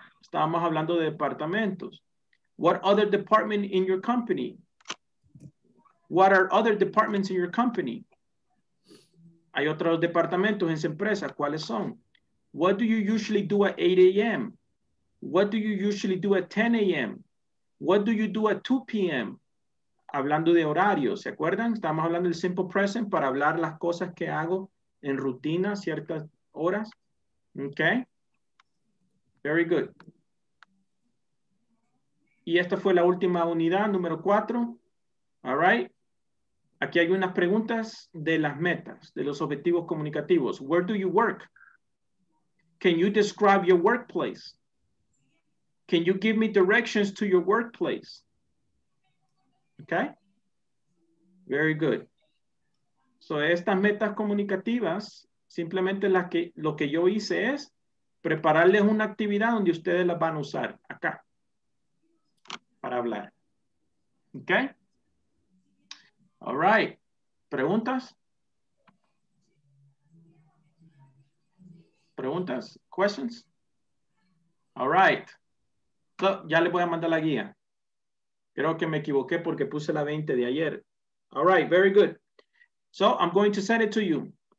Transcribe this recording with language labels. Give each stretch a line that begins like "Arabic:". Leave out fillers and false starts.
Spanish: Estábamos hablando de departamentos.
English: What other department in your company? What are other departments in your company?
Spanish: Hay otros departamentos en esa empresa. ¿Cuáles son?
English: What do you usually do at 8 a.m.? What do you usually do at 10 a.m.? What do you do at 2 p.m.?
Spanish: Hablando de horarios, ¿se acuerdan? Estamos hablando del simple present para hablar las cosas que hago en rutina, ciertas horas.
English: Ok. Very good.
Spanish: Y esta fue la última unidad, número 4.
English: All right.
Spanish: Aquí hay unas preguntas de las metas, de los objetivos comunicativos.
English: Where do you work? Can you describe your workplace? Can you give me directions to your workplace? Okay. Very good.
Spanish: So estas metas comunicativas, simplemente las que, lo que yo hice es prepararles una actividad donde ustedes las van a usar acá para hablar.
English: Okay. All right.
Spanish: ¿Preguntas? ¿Preguntas?
English: ¿Questions? All right.
Spanish: So, ya les voy a mandar la guía. Creo que me equivoqué porque puse la 20 de ayer.
English: All right. Very good. So, I'm going to send it to you.